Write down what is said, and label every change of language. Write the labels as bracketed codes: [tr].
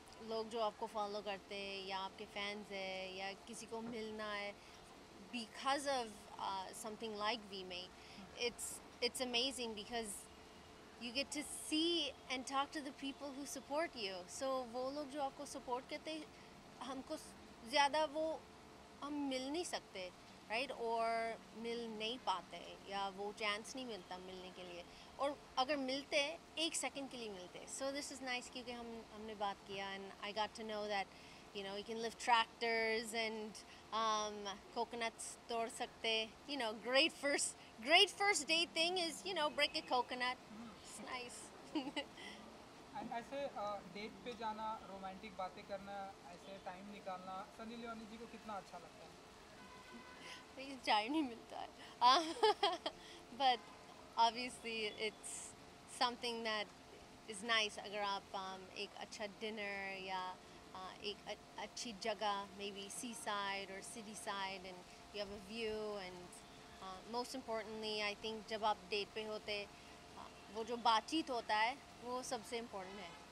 [hi] लोग जो आपको फॉलो करते हैं या आपके फैंस हैं या किसी को मिलना है [en] Because of something like VMATE it's amazing because You get to see and talk to the people who support you. [hi] So वो लोग जो आपको support करते हमको ज़्यादा वो हम मिल नहीं सकते right? [en] Or [hi] मिल नहीं पाते या वो chance नहीं मिलता मिलने के लिए और अगर मिलते एक second के लिए मिलते [en] So this is nice [hi] क्योंकि हमने बात किया [en] and I got to know that you know you can lift tractors and coconuts [hi] तोड़ सकते [en] you know great first day thing is you know break a coconut Nice. [hi] ऐसे date पे जाना romantic बातें करना ऐसे टाइम निकालना सनी लियोनी जी को कितना अच्छा लगता है प्लीज टाइम नहीं मिलता है [en] but obviously it's something that is nice [hi] अगर आप एक अच्छा डिनर या एक अच्छी जगह मे बी सी साइड और city side [en] and you have a view and most importantly I think [hi] जब आप डेट पे होते वो जो बातचीत होता है वो सबसे इम्पोर्टेंट है